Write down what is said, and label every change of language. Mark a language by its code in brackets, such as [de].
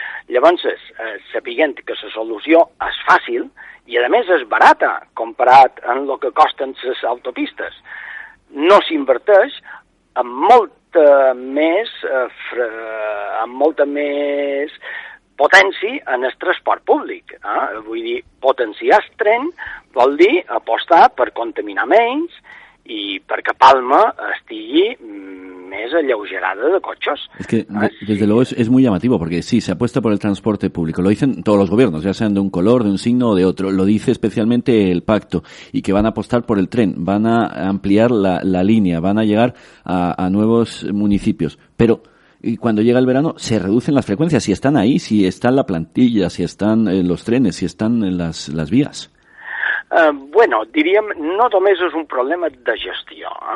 [ca] Llavors, sapiguent que la solució és fàcil i, a més, és barata comparat amb el que costen les autopistes, no s'inverteix en molt més amb molta més potència en el transport públic. Vull dir, potenciar el tren vol dir apostar per contaminar menys i perquè Palma estigui més alleugerada de cotxes. És que, [es] desde luego, [ca] és molt [es] llamativo, [ca] perquè sí, [es] se apuesta por el transporte público. Lo dicen todos los gobiernos, ya sean de un color, de un signo o de otro. Lo dice especialmente el pacto, y que van a apostar por el tren, van a ampliar la línea, van a llegar a nuevos municipios. Pero y cuando llega el verano se reducen las frecuencias, si están ahí, si está la plantilla, si están los trenes, si están las vías. [ca] Bueno, diríem, no només és un problema de gestió.